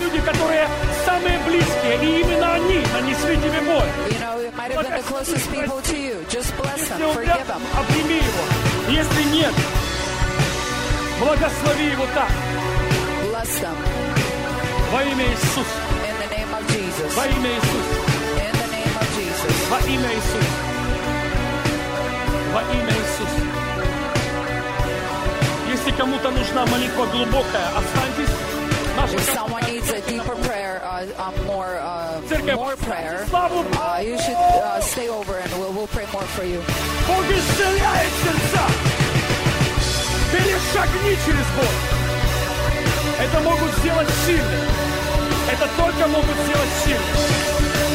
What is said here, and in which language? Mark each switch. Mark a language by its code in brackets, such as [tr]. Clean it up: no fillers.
[ru] Люди, которые самые близкие, и именно они нанесли тебе боль. [en] You know, it might have been the closest people to you. Just bless them. Forgive them. [ru] Обними его. Если нет, благослови его так. [en] Bless them. [ru] Во имя Иисуса. [en] In the name of Jesus. [ru] Во имя Иисуса. [en] In the name of Jesus. [ru] Во имя Иисуса. Во имя Иисуса. Если кому-то нужна молитва глубокая, останьтесь. [en] If someone needs a deeper prayer, more prayer, you should stay over and we'll pray more for you. [ru] Бог исцеляет сердца. Перешагни через боль. Это могут сделать сильные. Это только могут сделать сильные.